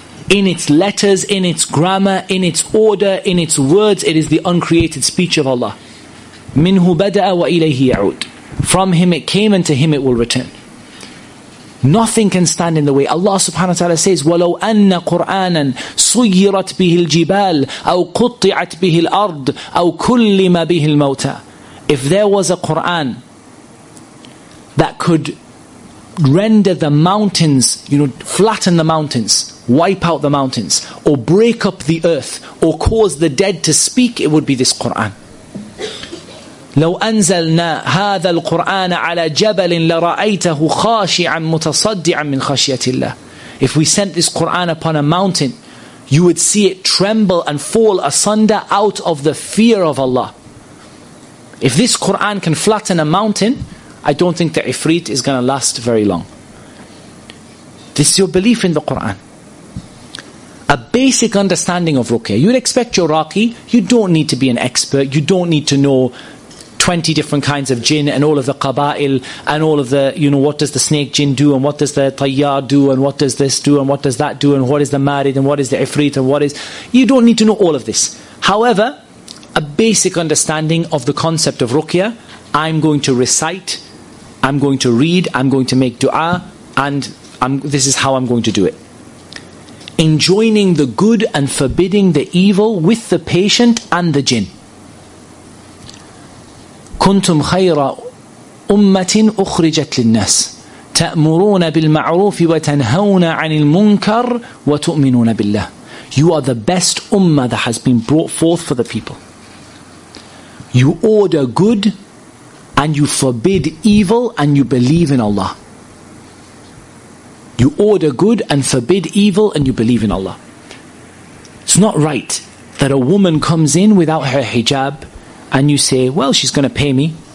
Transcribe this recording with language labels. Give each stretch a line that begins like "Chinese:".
English: In its letters, in its grammar, in its order, in its words, it is the uncreated speech of Allah.
Arabic: Minhu bada'a wa ilayhi ya'ud.
English: From him it came and to him it will return. Nothing can stand in the way. Allah subhanahu wa ta'ala says,
Arabic: وَلَوْ أَنَّ قُرْآنًا سُيِّرَتْ بِهِ الْجِبَالِ أَوْ قُطِّعَتْ بِهِ الْأَرْضِ أَوْ كُلِّمَ بِهِ الْمَوْتَى.
English: If there was a Qur'an that could render the mountains, you know, flatten the mountains, wipe out the mountains, or break up the earth, or cause the dead to speak, it would be this Qur'an.
Arabic: لو أنزلنا هذا القرآن على جبل لرأيته خاشعا متصدعا من خشية الله.
English: If we sent this Quran upon a mountain, you would see it tremble and fall asunder out of the fear of Allah. If this Quran can flatten a mountain, I don't think the ifrit is going to last very long. This is your belief in the Quran. A basic understanding of ruqya. You'd expect your raqi, you don't need to be an expert, you don't need to know 20 different kinds of jinn and all of the qaba'il and all of the, you know, what does the snake jinn do and what does the tayyar do and what does this do and what does that do and what is the marid and what is the ifrit and what is... You don't need to know all of this. However, a basic understanding of the concept of ruqya, I'm going to recite, I'm going to read, I'm going to make dua, and this is how I'm going to do it. Enjoining the good and forbidding the evil with the patient and the jinn.
Arabic: كنتم خير أمة أخرجت للناس تأمرون بالمعروف وتنهون عن المنكر وتؤمنون بالله.
English: You are the best ummah that has been brought forth for the people. You order good and you forbid evil and you believe in Allah. You order good and forbid evil and you believe in Allah. It's not right that a woman comes in without her hijab and you say, well, she's going to pay me.